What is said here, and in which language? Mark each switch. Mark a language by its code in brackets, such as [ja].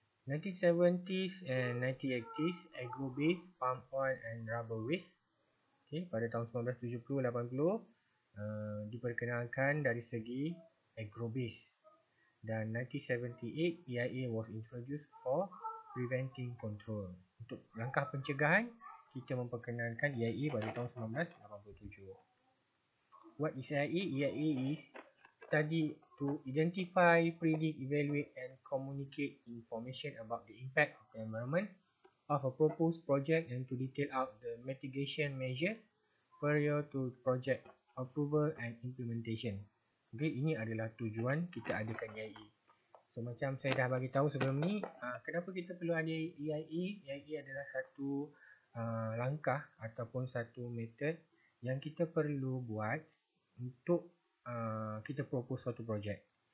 [en] 1970s and 1980s, agro-based palm oil and rubber waste. [ms] Okay, pada tahun 1970-80 diperkenalkan dari segi agro-based. [en] Dan 1978, EIA was introduced for preventing control. [ms] Untuk langkah pencegahan, kita memperkenalkan EIA pada tahun 1987. [en] What is EIA? EIA is study to identify, predict, evaluate and communicate information about the impact of the environment of a proposed project and to detail out the mitigation measures prior to project approval and implementation. [ms] Okay, ini adalah tujuan kita adakan EIA. So macam saya dah bagi tahu sebelum ni, kenapa kita perlu ada EIA? EIA adalah satu langkah ataupun satu method yang kita perlu buat untuk kita propose satu projek.